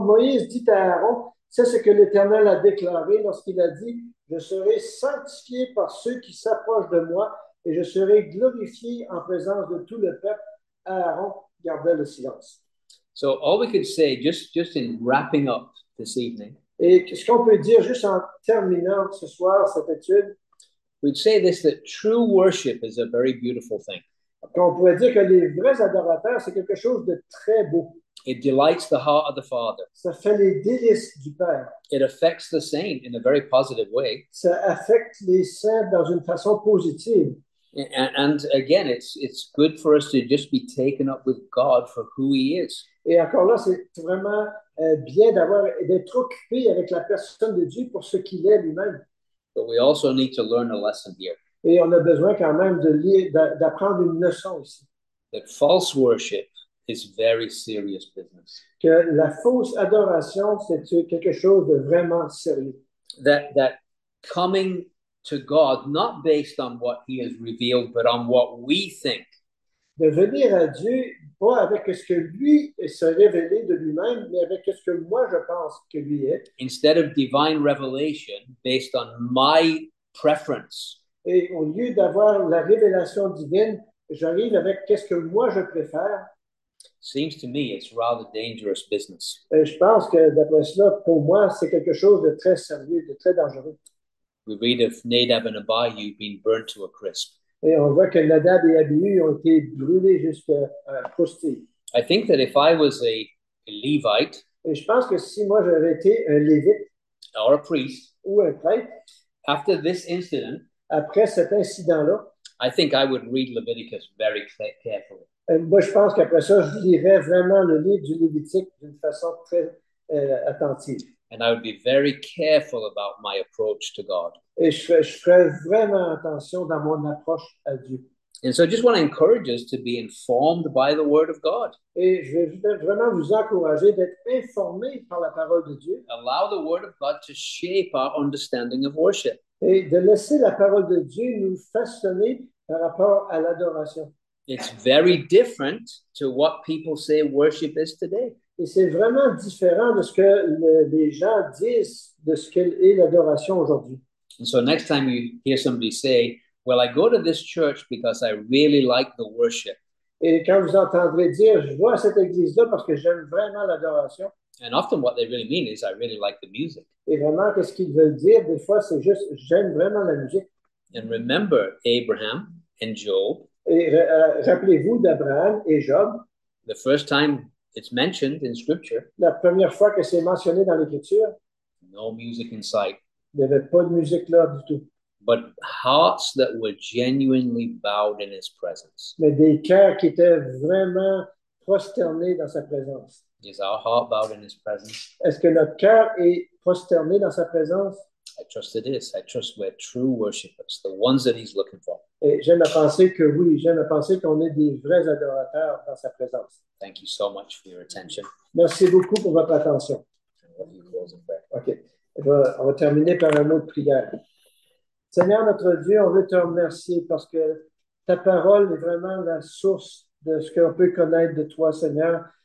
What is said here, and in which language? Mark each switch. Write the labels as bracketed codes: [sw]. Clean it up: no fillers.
[fr] Moïse dit à Aaron, c'est ce que l'Éternel a déclaré lorsqu'il a dit, « Je serai sanctifié par ceux qui s'approchent de moi et je serai glorifié en présence de tout le peuple. » Aaron gardait le silence. [en] So all we could say, just in wrapping up this evening, [fr] et ce qu'on peut dire juste en terminant ce soir, cette étude, [en] we'd say this, that true worship is a very beautiful thing. [fr] On pourrait dire que les vrais adorateurs, c'est quelque chose de très beau. [en] It delights the heart of the Father. [fr] Ça fait les délices du Père. [en] It affects the saint in a very positive way. [fr] Ça affecte les saints dans une façon positive. [en] And again, it's good for us to just be taken up with God for who he is. [fr] Et encore là, c'est vraiment bien d'être occupé avec la personne de Dieu pour ce qu'il est lui-même. [en] But we also need to learn a lesson here. [fr] Et on a besoin quand même d'apprendre une leçon ici. [en] That false worship is very serious business. [fr] Que la fausse adoration, c'est quelque chose de vraiment sérieux. [en] That coming to God, not based on what he has revealed, but on what we think. [fr] De venir à Dieu, pas avec ce que lui s'est révélé de lui-même, mais avec ce que moi je pense que lui est. [en] Instead of divine revelation, based on my preference. [fr] Et au lieu d'avoir la révélation divine, j'arrive avec qu'est-ce que moi je préfère. [en] Seems to me it's rather dangerous business. [fr] Et je pense que d'après cela, pour moi, c'est quelque chose de très sérieux, de très dangereux. [en] We read of Nadab and Abihu being burnt to a crisp. [fr] Et on voit que Nadab et Abihu ont été brûlés jusqu'à croustille. [en] I think that if I was a Levite, [fr] et je pense que si moi j'avais été un Lévite, [en] or a priest, [fr] ou un prêtre, [en] after this incident, [fr] après cet incident-là, [en] I think I would read Leviticus very carefully. [fr] Moi, je pense qu'après ça, je lirais vraiment le livre du Lévitique d'une façon très attentive. [en] And I would be very careful about my approach to God. [fr] Et je ferais vraiment attention dans mon approche à Dieu. [en] And so I just want to encourage us to be informed by the Word of God. [fr] Et je vais vraiment vous encourager d'être informé par la parole de Dieu. [en] Allow the Word of God to shape our understanding of worship. [fr] Et de laisser la parole de Dieu nous façonner par rapport à l'adoration. [en] It's very different to what people say worship is today. [fr] Et c'est vraiment différent de ce que les gens disent de ce qu'est l'adoration aujourd'hui. [en] And so next time you hear somebody say, Well, I go to this church because I really like the worship. [fr] Et quand vous entendrez dire, je vais à cette église-là parce que j'aime vraiment l'adoration. [en] And often what they really mean is I really like the music. [fr] Et vraiment, qu'est-ce qu'ils veulent dire? Des fois, c'est juste, j'aime vraiment la musique. [en] And remember Abraham and Job. [fr] Et rappelez-vous d'Abraham et Job. [en] The first time it's mentioned in Scripture. [fr] La première fois que c'est mentionné dans l'Écriture. [en] No music in sight. [fr] Il n'y avait pas de musique là du tout. [en] But hearts that were genuinely bowed in his presence. [fr] Mais des cœurs qui étaient vraiment prosternés dans sa présence. [en] Is our heart bowed in his presence? [fr] Est-ce que notre cœur est prosterné dans sa présence? [en] I trust it is. I trust we're true worshipers, the ones that he's looking for. [fr] Et j'aime à penser que oui, j'aime à penser qu'on est des vrais adorateurs dans sa présence. [en] Thank you so much for your attention. [fr] Merci beaucoup pour votre attention. OK. On va terminer par un mot de prière. Seigneur notre Dieu, on veut te remercier parce que ta parole est vraiment la source de ce qu'on peut connaître de toi, Seigneur.